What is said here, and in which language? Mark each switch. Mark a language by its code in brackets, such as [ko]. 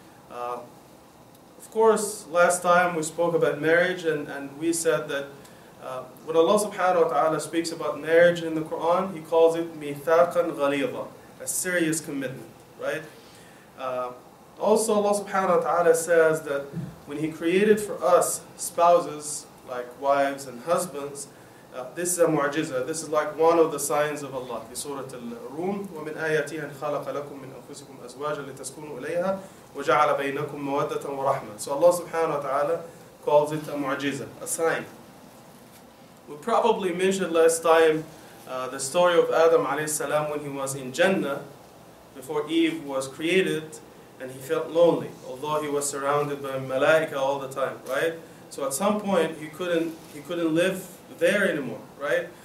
[en] Of course, last time we spoke about marriage, and we said that when Allah subhanahu wa ta'ala speaks about marriage in the Quran, He calls it mithaqan ghaliza, a serious commitment, right? Also, Allah subhanahu wa ta'ala says that when He created for us spouses, like wives and husbands, this is a mu'jiza. This is like one of the signs of Allah. In Surah Al-Rum, [ar] وَمِنْ آيَاتِهَا خَلَقَ لَكُمْ مِنْ أَنفُسِكُمْ أَزْوَاجًا لِتَسْكُنُوا إِلَيْهَا وَجَعَلَ بَيْنَكُمْ مَوَدَّةً وَرَحْمَةً. [en] So Allah subhanahu wa ta'ala calls it a mu'jiza, a sign. We probably mentioned last time the story of Adam alayhi salam when he was in Jannah before Eve was created, and he felt lonely, although he was surrounded by malaika all the time, right? So at some point he couldn't live there anymore, right?